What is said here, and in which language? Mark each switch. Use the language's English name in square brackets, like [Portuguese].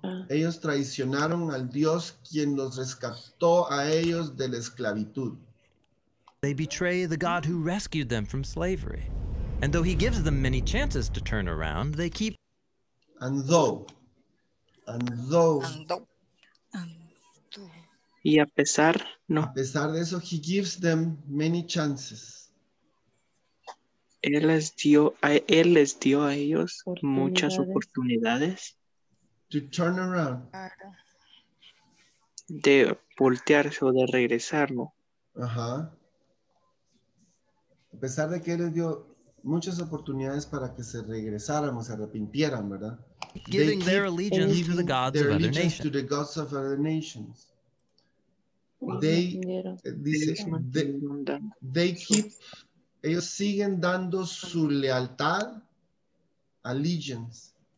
[Spanish] Ellos traicionaron al Dios quien los rescató a ellos de la esclavitud. [English] They betray the God who rescued them from slavery. And though he gives them many chances to turn around, they keep... And though. [Spanish] Y a pesar, no. A pesar de eso, [English] he gives them many chances. [Spanish] Él les dio a ellos muchas oportunidades. [English] To turn around. [Spanish] De voltearse o de regresarlo. Ajá. A pesar de que él les dio muchas oportunidades para que se regresaran o se arrepintieran, ¿verdad? [English] Giving their allegiance to the gods of other nations. To the gods of other nations. They keep, [Spanish] ellos siguen dando su lealtad, [English] allegiance.